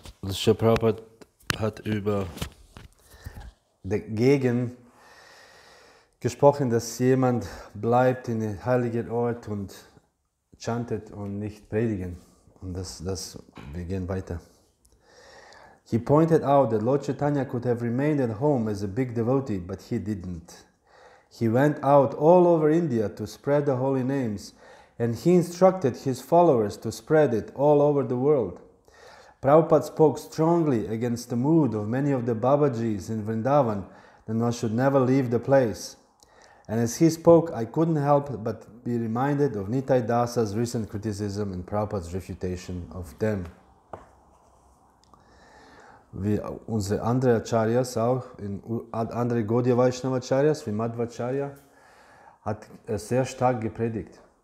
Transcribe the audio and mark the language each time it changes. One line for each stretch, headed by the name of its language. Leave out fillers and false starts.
German: Srila Prabhupada hat über dagegen gesprochen, dass jemand bleibt in den heiligen Ort und chantet und nicht predigen. Und das wir gehen weiter.
English: He pointed out that Lord Chaitanya could have remained at home as a big devotee, but he didn't. He went out all over India to spread the holy names, and he instructed his followers to spread it all over the world. Prabhupada spoke strongly against the mood of many of the Babajis in Vrindavan that one should never leave the place. And as he spoke, I couldn't help but be reminded of Nitai Dasa's recent criticism and Prabhupada's refutation of them.
German: Wie unsere andere Acharyas auch, in andere Gaudiya Vaishnava Acharyas, wie Madhvacharya, hat er sehr stark gepredigt.